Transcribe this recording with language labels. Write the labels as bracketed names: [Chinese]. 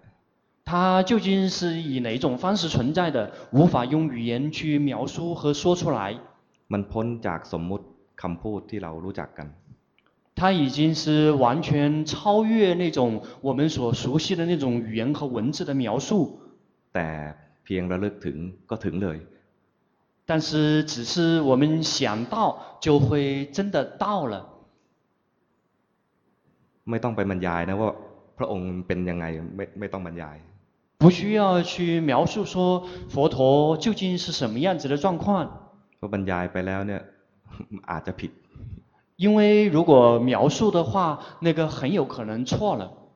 [Chinese] 他究竟是以哪种方式存在的无法用语言去描述和说出来 [Thai] มันพ้นจากสมมติคำพูดที่เรารู้จักกัน [Chinese] 它已经是完全超越那种我们所熟悉的那种语言和文字的描述 [Thai] แต่เพียงระลึกถึงก็ถึงเลย [Chinese] 但是只是我们想到就会真的到了 [Thai] ไม่ต้องไปบรรยายนะว่าพระองค์เป็นยังไงไม่ต้องบรรยาย [Chinese] 不需要去描述说佛陀究竟是什么样子的状况 [Thai] พอบรรยายไปแล้วเนี่ยอาจจะผิด [Chinese] 因为如果描述的话那个很有可能错了